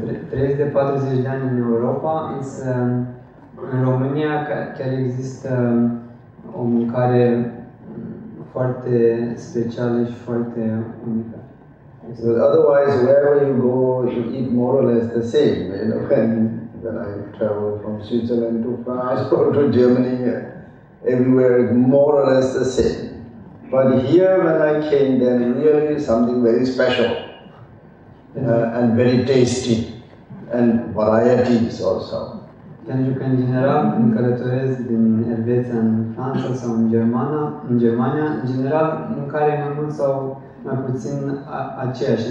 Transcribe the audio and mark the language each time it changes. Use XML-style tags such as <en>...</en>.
<ro>30 de 40 de ani în Europa, însă în România chiar există o mâncare foarte specială și foarte unică.</ro> <en>But otherwise, wherever you go, you eat more or less the same, you know, when I travel from Switzerland to France or to Germany, everywhere is more or less the same. But here, when I came, then really something very special and very tasty. And varieties also.</en> <ro>Pentru că, în general, când călătoresc din Elveția în Franța sau în Germania, în general, mâncarea mai mult sau mai puțin aceeași.</ro>